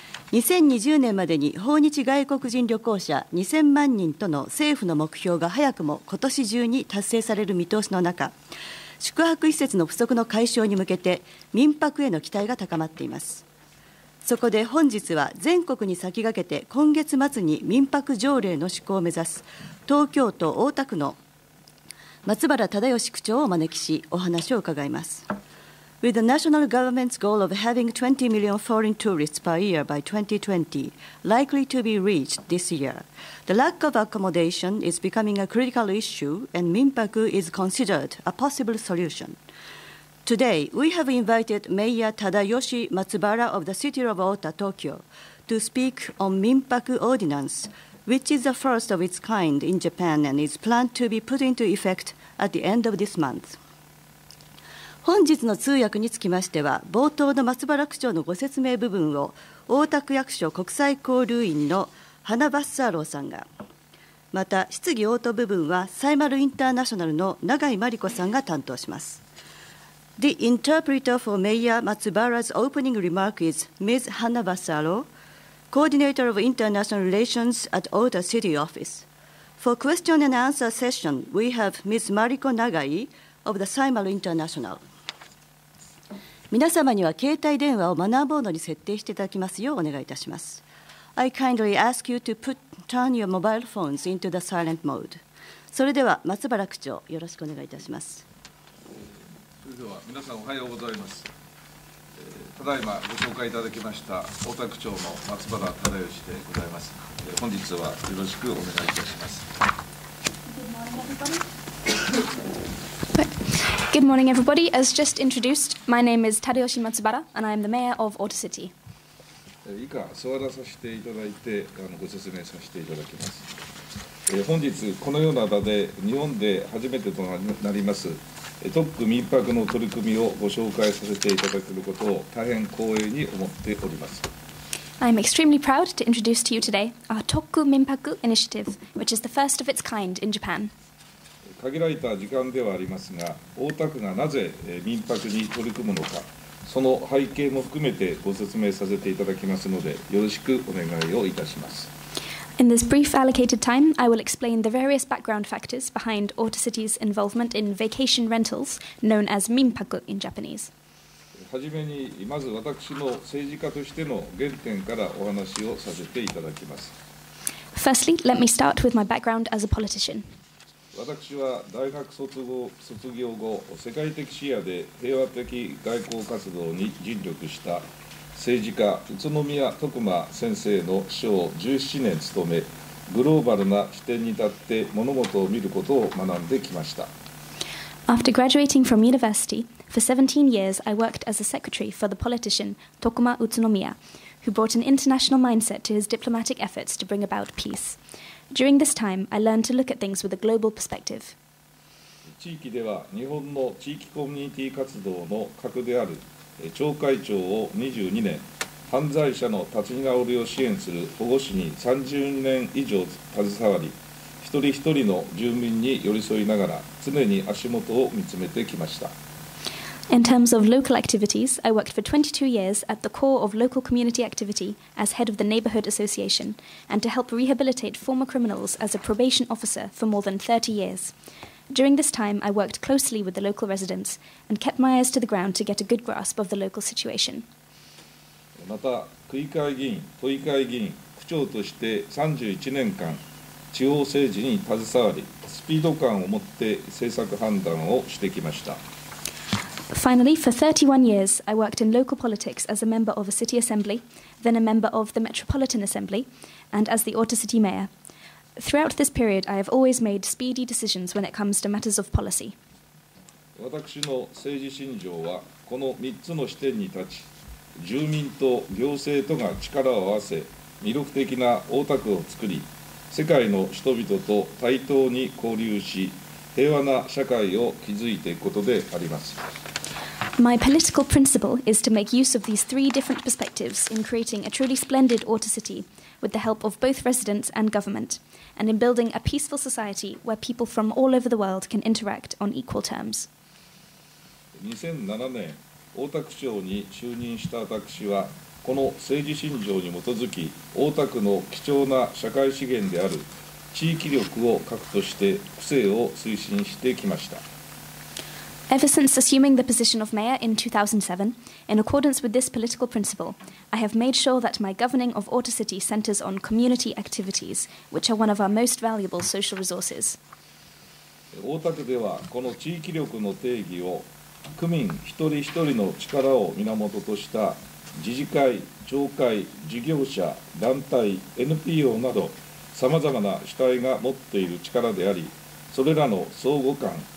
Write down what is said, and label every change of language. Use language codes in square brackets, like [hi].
[ja] 2020年までに訪日外国人旅行者2000万人との政府の目標が早くも今年中に達成される見通しの中、宿泊施設の不足の解消に向けて民泊への期待が高まっています。そこで本日は全国に先駆けて今月末に民泊条例の施行を目指す東京都大田区の松原忠義区長をお招きしお話を伺います。 [en] With the national government's goal of having 20 million foreign tourists per year by 2020 likely to be reached this year, the lack of accommodation is becoming a critical issue and 民泊 is considered a possible solution. Today, we have invited Mayor Tadayoshi Matsubara of the city of Ota, Tokyo, to speak on Minpaku Ordinance, which is the first of its kind in Japan and is planned to be put into effect at the end of this month. [ja] 本日の通訳につきましては、冒頭の松原区長のご説明部分を、大田区役所国際交流員の花バッサーローさんが、また質疑応答部分は、サイマルインターナショナルの永井真理子さんが担当します。 [en] The interpreter for Mayor Matsubara's opening remark is Ms. Hana Vassaro, Coordinator of International Relations at Ota City Office. For question and answer session, we have Ms. Mariko Nagai of the Saimaru International. [ja] 皆様には携帯電話をマナーボードに設定していただきますようお願いいたします。 [en] I kindly ask you to turn your mobile phones into the silent mode. [ja] それでは松原区長、よろしくお願いいたします。では皆さんおはようございます。ただいまご紹介いただきました大田区長の松原忠義でございます。本日はよろしくお願いいたします。 [en] Good morning everybody. As just introduced, my name is Tadayoshi Matsubara and I am the mayor of Ota City. [ja] 以下座らさせていただいてご説明させていただきます。本日このような場で日本で初めてとなりますトック民泊の取り組みをご紹介させていただけることを大変光栄に思っております。 [en] I am extremely proud to introduce to you today our トック民泊 initiative, which is the first of its kind in Japan. [ja] 限られた時間ではありますが、大田区がなぜ民泊に取り組むのか、その背景も含めてご説明させていただきますので、よろしくお願いをいたします。 [en] In this brief allocated time, I will explain the various background factors behind Ota City's involvement in vacation rentals, known as minpaku in Japanese. [ja] はじめに、まず私の政治家としての原点からお話をさせていただきます。 [en] Firstly, let me start with my background as a politician. [ja] 私は大学卒業後、世界的視野で平和的外交活動に尽力した政治家宇都宮徳馬先生の秘書を17年務め、グローバルな視点に立って物事を見ることを学んできました。 [en] After graduating from university, for 17 years I worked as a secretary for the politician 徳馬宇都宮, who brought an international mindset to his diplomatic efforts to bring about peace. During this time, I learned to look at things with a global perspective. [ja] 地域では日本の地域コミュニティ活動の核である町会長を22年、犯罪者の立ち直りを支援する保護司に30年以上携わり、一人一人の住民に寄り添いながら、常に足元を見つめてきました。 [en] In terms of local activities, I worked for 22 years at the core of local community activity as head of the neighborhood association and to help rehabilitate former criminals as a probation officer for more than 30 years. During this time, I worked closely with the local residents and kept my eyes to the ground to get a good grasp of the local situation. [ja] また、区議会議員、都議会議員、区長として31年間、地方政治に携わり、スピード感を持って政策判断をしてきました。 [en] Finally, for 31 years, I worked in local politics as a member of a city assembly, then a member of the Metropolitan Assembly, and as the Ota City Mayor. Throughout this period, I have always made speedy decisions when it comes to matters of policy. [ja] 私の政治信条は、この3つの視点に立ち、住民と行政とが力を合わせ、魅力的な大田区を作り、世界の人々と対等に交流し、平和な社会を築いていくことであります。 [en] My political principle is to make use of these three different perspectives in creating a truly splendid Otter City with the help of both residents and government, and in building a peaceful society where people from all over the world can interact on equal terms. [ja] 2007年、大田区長に就任した私は、この政治信条に基づき、大田区の貴重な社会資源である地域力を核として区政を推進してきました。 [en] Ever since assuming the position of mayor in 2007, in accordance with this political principle, I have made sure that my governing of Otter City centers on community activities, which are one of our most valuable social resources. [ja] 大田区ではこの地域力の定義を区民一人一人の力を源とした自治会、町会、事業者、団体、NPO など様々な主体が持っている力であり、それらの相互感